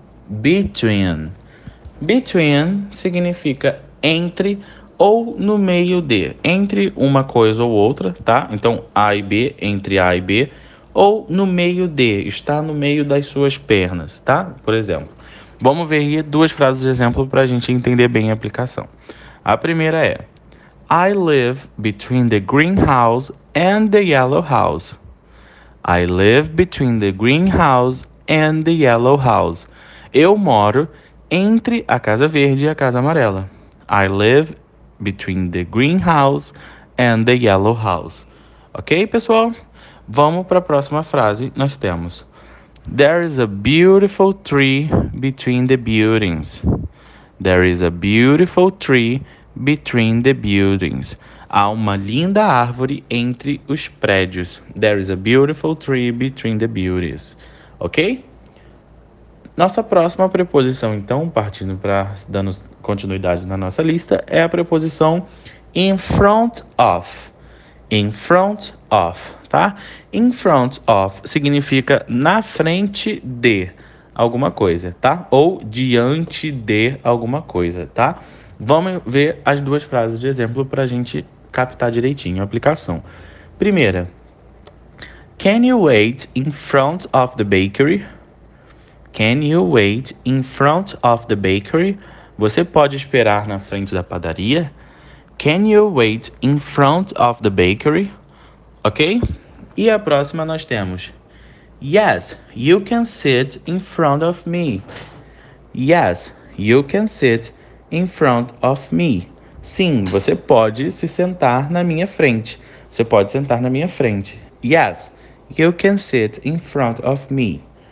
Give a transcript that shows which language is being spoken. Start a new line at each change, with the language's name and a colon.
Portuguese: Between. Between significa entre ou no meio de, entre uma coisa ou outra, tá? Então, A e B, entre A e B, ou no meio de, está no meio das suas pernas, tá? Por exemplo, vamos ver aí duas frases de exemplo para a gente entender bem a aplicação. A primeira é,
English: I live between the greenhouse and the yellow house. I live between the greenhouse and the yellow house.
Portuguese: Eu moro entre a casa verde e a casa amarela.
English: I live between the greenhouse and the yellow house. Ok,
Portuguese: pessoal? Vamos para a próxima frase. Nós temos.
English: There is a beautiful tree between the buildings. There is a beautiful tree between the buildings.
Portuguese: Há uma linda árvore entre os prédios.
English: There is a beautiful tree between the buildings. Ok?
Portuguese: Nossa próxima preposição, então, partindo para dando continuidade na nossa lista, é a preposição in front of. In front of, tá? In front of significa na frente de. alguma coisa, tá? Ou diante de alguma coisa, tá? Vamos ver as duas frases de exemplo para a gente captar direitinho a aplicação. Primeira:
English: Can you wait in front of the bakery? Can you wait in front of the bakery?
Portuguese: Você pode esperar na frente da padaria?
English: Can you wait in front of the bakery? Ok?
Portuguese: E a próxima nós temos:
English: Yes, you can sit in front of me. Yes, you can sit in front of me.
Portuguese: Sim, você pode se sentar na minha frente. Você pode sentar na minha frente.
English: Yes, you can sit in front of me.